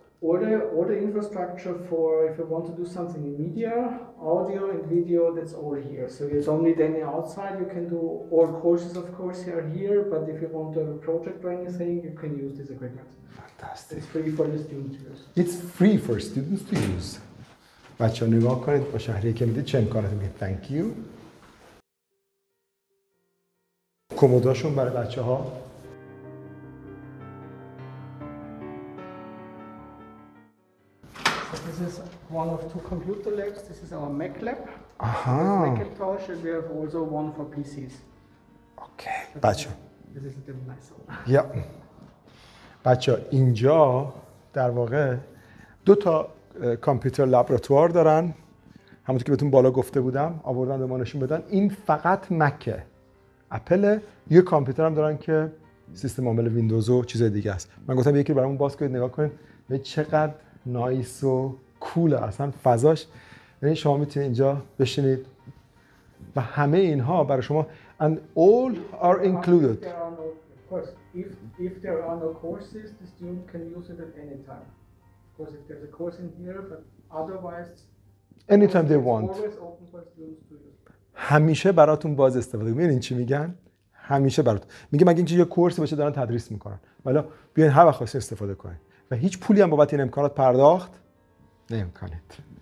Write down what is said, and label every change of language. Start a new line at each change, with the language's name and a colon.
English: Or the infrastructure for if you want to do something in media, audio and video, that's all here. So it's only then outside you can do all courses, of course, are here. But if you want to have a project or anything, you can use this equipment. Fantastic. It's free for the students to use. It's free for students to use.
Persian: بچه‌ها نگاه کنید با شهری که میدید چه امکانات میگه.
English: Thank you.
Persian: کمدهاشون برای بچه‌ها.
English: This is one of two computer labs. This is our Mac lab. Aha. Macintosh, and we have also one for PCs. Okay.
Persian: بچه.
English: This is the nice one. Yeah.
Persian: بچه اینجا در واقع دو تا کامپیوتر لابراتوار دارن. همونطور که بهتون بالا گفته بودم آوردن به ما نشون بدن. این فقط مکه. اپل یه کامپیوتر هم دارن که سیستم عامل ویندوز و چیزهای دیگه است. من گفتم یکی برامون باز کنید نگاه کنید. به چقدر نایس و کوله اصلا فضاش. یعنی شما میتونید اینجا بشینید و همه اینها برای شما
English: and all are included. If there are no, of course, if there are no courses, the student can use it at any time. Of course, if there's a course in here, but otherwise, anytime they want. Always open for students to use.
Persian: همیشه براتون باز استفاده کنید. میبینین چی میگن؟ همیشه براتون. میگه مگه اینکه یه کورس باشه دارن تدریس میکنن. حالا بیاین هر وقت خواستین استفاده کنین. و هیچ پولی هم بابت این امکانات پرداخت نمی‌کنید.